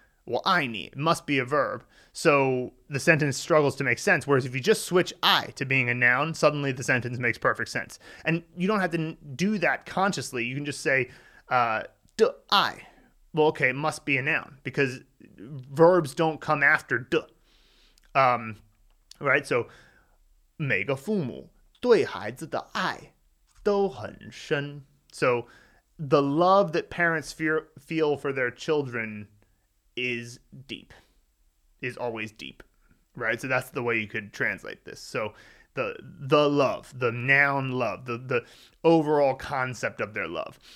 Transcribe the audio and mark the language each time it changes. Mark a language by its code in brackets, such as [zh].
[en] Well, I need, it must be a verb. So the sentence struggles to make sense. Whereas if you just switch I to being a noun, suddenly the sentence makes perfect sense. And you don't have to do that consciously. You can just say, I. Well, okay, it must be a noun because verbs don't come after de. Right? [zh] So, 每个父母对孩子的爱都很深. [en] So the love that parents feel for their children is deep, is always deep, right? So that's the way you could translate this. So the love, the noun love, the overall concept of their love.